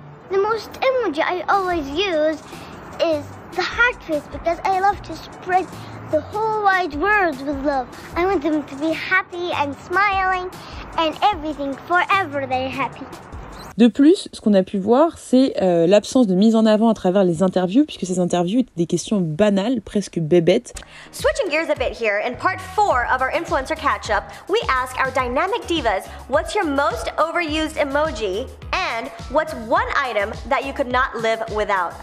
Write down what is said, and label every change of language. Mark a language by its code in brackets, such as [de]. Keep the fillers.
[en] The most emoji I always use is the heart face because I love to spread the whole wide world with love. I want them to be happy and smiling and everything forever they're happy. [fr] De plus, ce qu'on a pu voir, c'est euh, l'absence de mise en avant à travers les interviews, puisque ces interviews étaient des questions banales, presque bébêtes. [en] Switching gears a bit here, in part 4 of our influencer catch-up, we ask our dynamic divas, what's your most overused emoji, and what's one item that you could not live without?